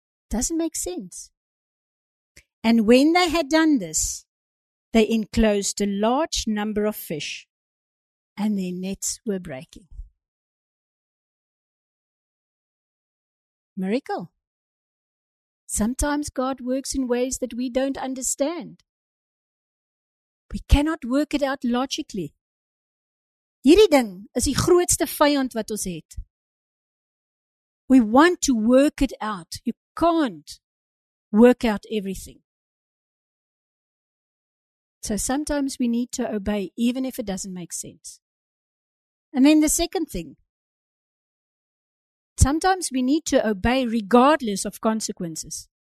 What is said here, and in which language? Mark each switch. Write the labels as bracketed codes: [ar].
[en] Doesn't make sense. And when they had done this, they enclosed a large number of fish, and their nets were breaking. Miracle. Sometimes God works in ways that we don't understand. We cannot work it out logically. [af] Hierdie ding is die grootste vyand wat ons het. [en] We want to work it out. You can't work out everything. So sometimes we need to obey even if it doesn't make sense. And then the second thing. Sometimes we need to obey regardless of consequences.